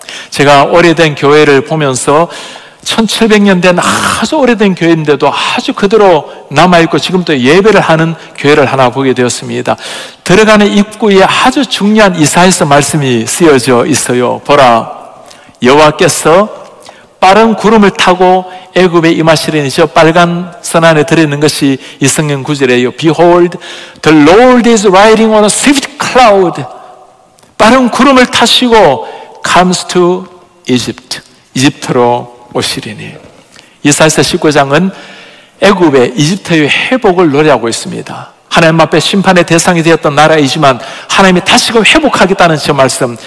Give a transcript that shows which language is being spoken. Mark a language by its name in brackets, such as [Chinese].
[Korean] 제가 오래된 교회를 보면서 1700년 된 아주 오래된 교회인데도 아주 그대로 남아있고 지금도 예배를 하는 교회를 하나 보게 되었습니다. 들어가는 입구에 아주 중요한 이사야서 말씀이 쓰여져 있어요. 보라, 여호와께서 빠른 구름을 타고 애굽에 임하시리니, 저 빨간 선 안에 들어있는 것이 이 성경 구절이에요. [English] Behold, the Lord is riding on a swift cloud. [Korean] 빠른 구름을 타시고 [English] comes to Egypt. [Korean] 이집트로 오시리니. 이사야서 19장은 애굽의, 이집트의 회복을 노래하고 있습니다. 하나님 앞에 심판의 대상이 되었던 나라이지만 하나님이 다시금 회복하겠다는 저 말씀.